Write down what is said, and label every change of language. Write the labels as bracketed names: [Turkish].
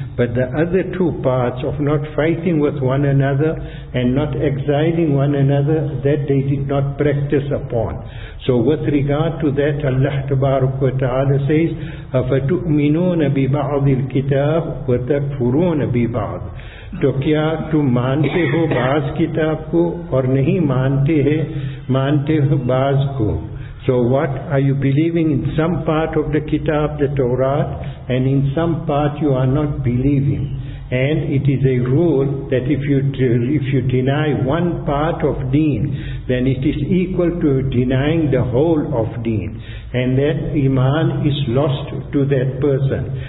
[English] But the other two parts of not fighting with one another and not exiling one another, that they did not practice upon. So with regard to that, Allah Tabaraka wa Ta'ala says, [Arabic] أَفَتُؤْمِنُونَ بِبَعْضِ الْكِتَابِ وَتَكْفُرُونَ بِبَعْضِ. [Urdu] تو کیا تم مانتے ہو بعض کتاب کو اور نہیں مانتے ہیں مانتے ہو بعض کو. [English] So what, are you believing in some part of the kitab, the Torah, and in some part you are not believing? And it is a rule that if you deny one part of deen, then it is equal to denying the whole of deen, and that iman is lost to that person.